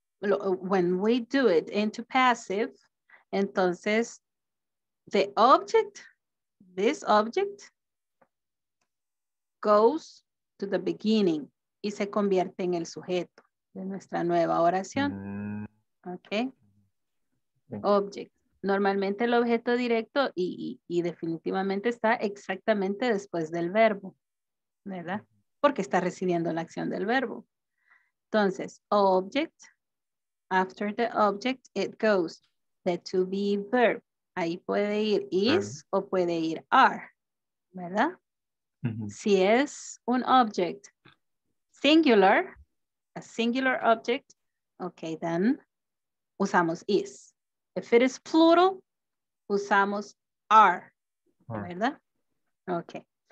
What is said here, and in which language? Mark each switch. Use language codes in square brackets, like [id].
[en] When we do it into passive, entonces, the object, this object, goes to the beginning [es] y se convierte en el sujeto de nuestra nueva oración. [en] Ok. Object. [es] Normalmente el objeto directo y definitivamente está exactamente después del verbo, ¿verdad? Porque está recibiendo la acción del verbo. Entonces, object. [en] After the object, it goes the to be verb. [es] Ahí puede ir is o puede ir are, ¿verdad? Si es un [en] object singular, a singular object, okay, then usamos is. If it is plural, [es] usamos [en] are, ¿verdad? Okay.